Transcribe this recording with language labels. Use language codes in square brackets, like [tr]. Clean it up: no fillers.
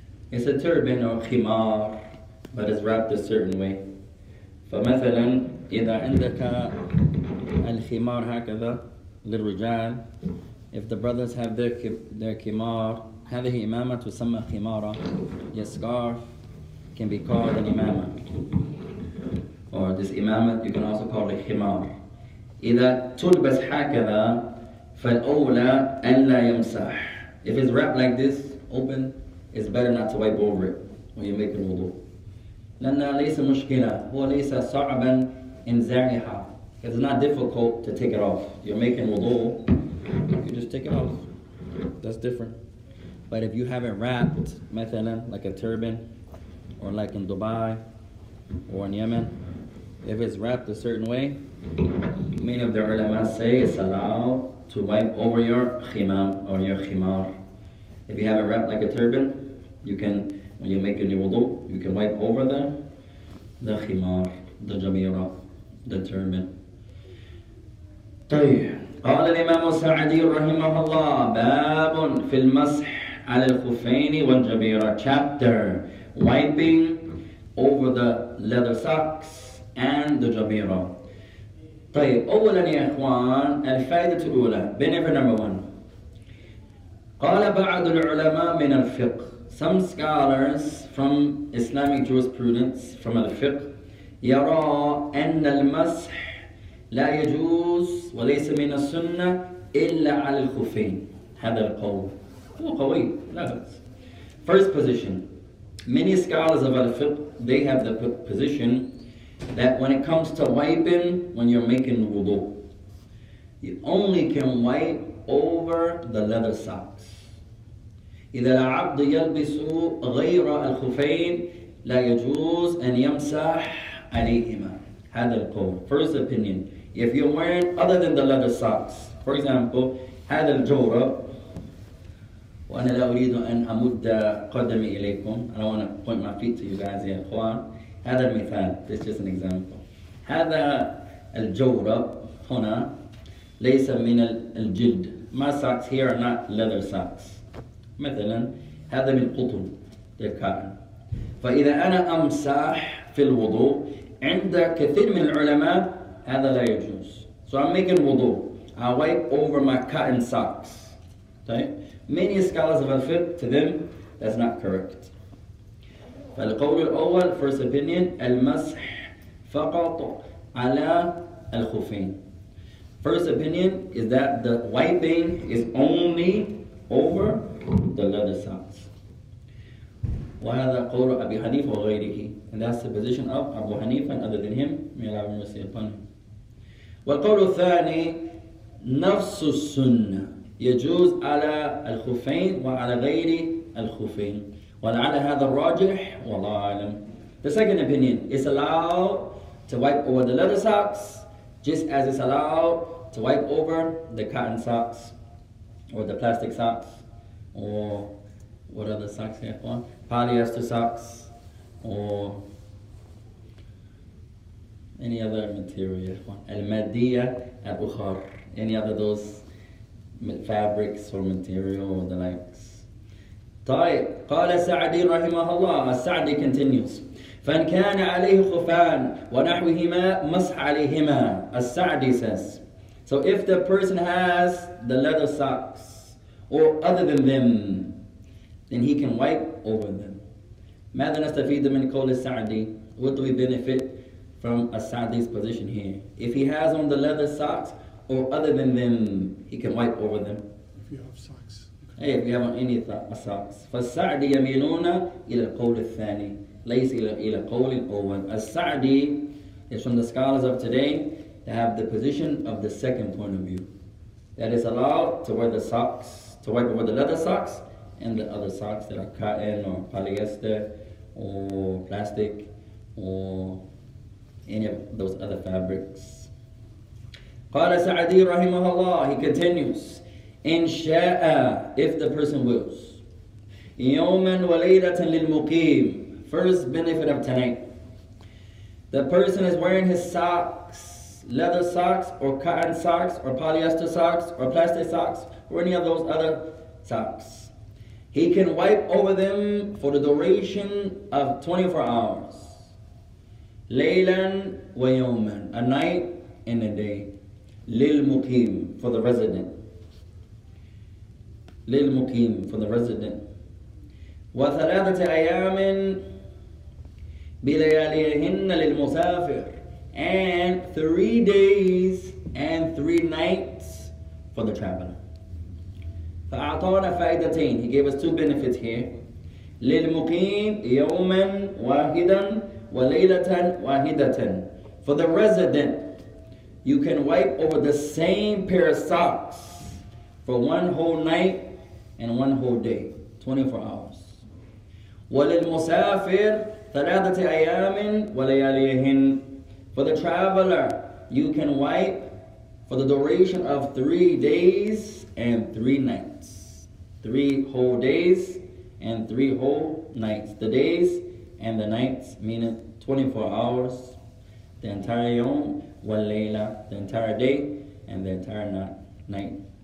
[en] it's a turban or خمار but it's wrapped a certain way [ar] فمثلا إذا عندك الخمار هكذا للرجال [en] if the brothers have their [ar] خمار هذه إمامة تسمى خمارة [en] your scarf can be called an إمامة or this إمامة you can also call it [ar] خمار إذا تلبس هكذا فالأولى أن لا يمسح. [en] If it's wrapped like this, open, it's better not to wipe over it when you make الوضوء. [ar] لأن ليس مشكلة هو ليس صعبا إنزاعها. [en] It's not difficult to take it off. You're making الوضوء, you just take it off. That's different. But if you have it wrapped, مثلا like a turban, or like in Dubai, or in Yemen, if it's wrapped a certain way, many of the ulama say it's allowed to wipe over your khimam or your khimar. If you have it wrapped like a turban, you can, when you make a new wudu, you can wipe over the khimar, the jamira, the turban. [ar] قال الإمام السعدي رحمه الله باب في المسح على الخفين والجبيرة [en] chapter wiping over the leather socks and the jamira. [ar] طيب أولا يا إخوان الفائدة الأولى [en] benefit number one [ar] قال بعض العلماء من الفقه [en] some scholars from Islamic jurisprudence from [ar] الفقه يرى أن المسح لا يجوز وليس من السنة إلا على الخفين هذا القول هو قوي لا بس [en] first position many scholars of الفقه they have the position that when it comes to wiping, when you're making wudu, you only can wipe over the leather socks. [ar] إذا العبد يلبس غير الخفين لا يجوز أن يمسح عليهما. هذا القول. [en] First opinion. If you're wearing other than the leather socks, for example, [ar] هذا الجورب وأنا لا أريد أن أمد قدمي إليكم. [en] I don't want to point my feet to you guys, [ar] يا إخوان. [en] هذا المثال. This is just an example. [ar] هذا الجورب هنا ليس من الجلد. [en] My socks here are not leather socks. [ar] مثلا هذا من القطن. [en] They're cotton. [ar] فإذا أنا أمسح في الوضوء عند كثير من العلماء هذا لا يجوز. [en] So I'm making wudu. I wipe over my cotton socks. [ar] طيب. [en] Many scholars of al-fiqh, to them, that's not correct. [ar] فالقول الأول, [en] first opinion, [ar] المسح فقط على الخفين. [en] First opinion is that the wiping is only over the leather socks. [ar] وهذا قول أبي حنيفة وغيره. [en] And that's the position of Abu Hanifa and other than him. May Allah have mercy upon him. [ar] والقول الثاني, نفس السنة يجوز على الخفين وعلى غير الخفين. ولعل هذا الراجح والله أعلم. [en] The second opinion is allowed to wipe over the leather socks just as it's allowed to wipe over the cotton socks or the plastic socks or what other socks here for? Polyester socks or any other material. [ar] المادية الأخرى. [en] Any other those fabrics or material or the likes. [ar] طيب قال سعدي رحمه الله. [en] السعدي continues. [ar] فإن كان عليه خفان ونحوهما مسح عليهما. [en] السعدي says. So if the person has the leather socks or other than them, then he can wipe over them. [ar] ماذا نستفيد من قول السعدي? [en] What do we benefit from a Sa'di's position here? If he has on the leather socks or other than them, he can wipe over them. If you have socks. Hey, if you have on any socks. [ar] فالسعدي يميلون إلى القول الثاني. ليس إلى قول الأول. [en] السعدي is from the scholars of today to have the position of the second point of view. That is allowed to wear the socks, to wipe over the leather socks and the other socks that are cotton or polyester or plastic or any of those other fabrics. [ar] قال سعدي رحمه الله, [en] he continues, [ar] إن شاء, [en] if the person wills, [ar] يوما وليلة للمقيم. [en] First benefit of tonight. The person is wearing his socks, leather socks or cotton socks or polyester socks or plastic socks or any of those other socks. He can wipe over them for the duration of 24 hours. [ar] Laylan wa yawman, [en] a night and a day. [ar] Lil muqim, [en] for the resident. [ar] Lil muqim, [en] for the resident. [ar] Wa thalathata ayamin bilayaliyahinna lil musafir, [en] and 3 days and 3 nights for the traveler. [ar] فأعطانا فائدتين. [en] He gave us 2 benefits here. [ar] للمقيم يوما واحدا وليلة واحدة. [en] For the resident, you can wipe over the same pair of socks for 1 whole night and 1 whole day, 24 hours. [ar] وللمسافر ثلاثة أيام ولياليهن. [en] For the traveler, you can wipe for the duration of 3 days and 3 nights. 3 whole days and 3 whole nights. The days and the nights, meaning 24 hours, the entire yom, [ar] wal layla, [en] the entire day and the entire night.